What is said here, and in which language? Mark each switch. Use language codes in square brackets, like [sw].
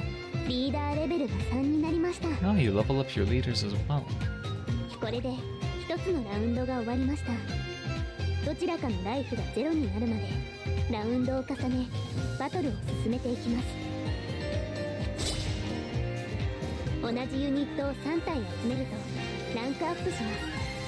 [ja] 獲得できる武器の量は、バトルの結果に応じて変化します。武器の他にも、各ラウンドが終わるたびにリーダーがEXPを獲得します。おめでとうございます。EXPを2獲得して、リーダーレベルが3になりました。 [en] Now you level up your leaders as well. [ja] これで1つのラウンドが終わりました。どちらかのライフがゼロになるまで、ラウンドを重ね、バトルを進めていきます。同じユニットを3体集めると、ランクアップします。